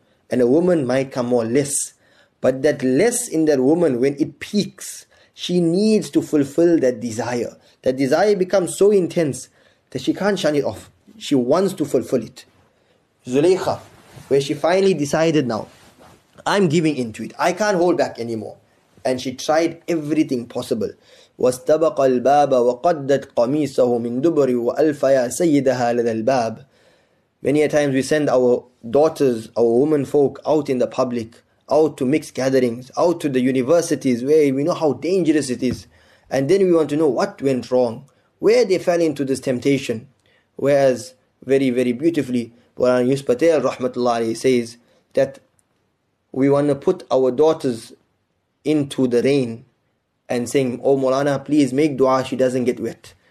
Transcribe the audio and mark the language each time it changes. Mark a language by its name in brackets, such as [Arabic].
[English] And a woman might come more less. But that less in that woman, when it peaks, she needs to fulfill that desire. That desire becomes so intense that she can't shun it off. She wants to fulfill it. Zulaykha, where she finally decided, now, I'm giving into it. I can't hold back anymore. And she tried everything possible. [Arabic] واستبق الباب وقدت قميصه من دبر وألف يا سيدها لدى الباب. [English] Many a times we send our daughters, our women folk, out in the public, out to mixed gatherings, out to the universities, where we know how dangerous it is, and then we want to know what went wrong, where they fell into this temptation. Whereas very, very beautifully, Quran Yus Patel rahmatullah alayhi says that we want to put our daughters into the rain and saying, oh Mawlana, please make dua she doesn't get wet.